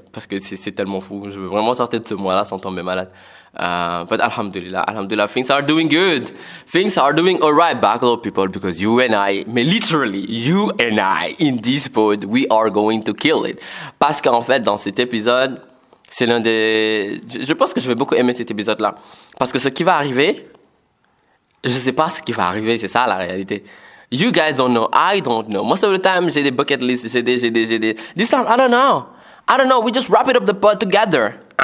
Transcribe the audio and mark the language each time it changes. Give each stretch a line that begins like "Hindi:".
French: Parce que c'est tellement fou, je veux vraiment sortir de ce mois-là sans tomber malade.
English: But alhamdulillah, things are doing good. Things are doing alright, back low people, because you and I, mais literally, you and I, in this pod, we are going to kill it.
French: Parce qu'en fait, dans cet épisode, c'est l'un des... Je pense que je vais beaucoup aimer cet épisode-là. Parce que ce qui va arriver, je sais pas ce qui va arriver, c'est ça la réalité.
English: You guys don't know, I don't know. Most of the time,
French: j'ai des bucket lists, j'ai des...
English: This time, I don't know, we just wrap it up the pod together.